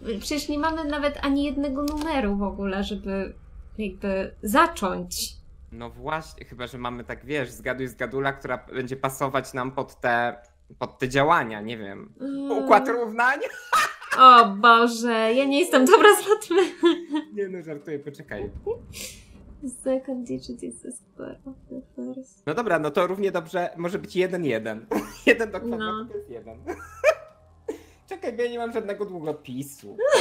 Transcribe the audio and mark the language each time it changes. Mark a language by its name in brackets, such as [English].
[Polish] Przecież nie mamy nawet ani jednego numeru w ogóle, żeby jakby zacząć. No właśnie, chyba że mamy tak, wiesz, zgaduj zgadula, która będzie pasować nam pod te działania, nie wiem. Układ równań? O Boże, ja nie jestem dobra z matmy. Nie no, żartuję, poczekaj. [English] Second digit is the square of the first. [Polish] No dobra, no to równie dobrze może być 1-1. 1 do kwadratu, no. To jest 1. Czekaj, bo ja nie mam żadnego długopisu.